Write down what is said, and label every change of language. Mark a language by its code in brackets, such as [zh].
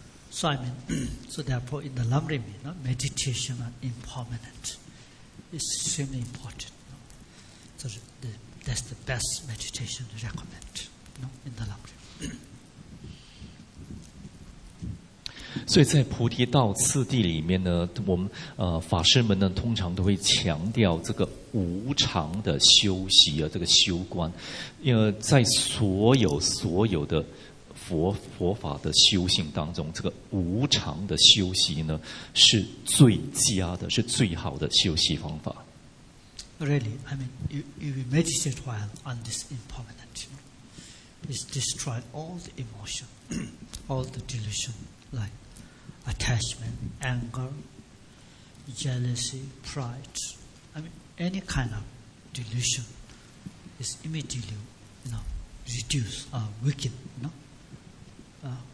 [en] So I mean, so therefore in the Lamrim, you know, meditation are impermanent. It's extremely important. You know? So that's the best meditation to recommend, you know, in the Lamrim. So in the [zh] 菩提道次第里面呢, 我们, 法师们呢, 通常都会强调这个 无常的修习, 这个修观, 在所有的 佛法的修行当中，这个无常的修习呢，是最佳的，是最好的修习方法。 [en] Really, I mean, you meditate while on this impermanent, it's destroyed all the emotion, all the delusion, like attachment, anger, jealousy, pride. I mean, any kind of delusion is immediately, you know, reduced or weakened, you know.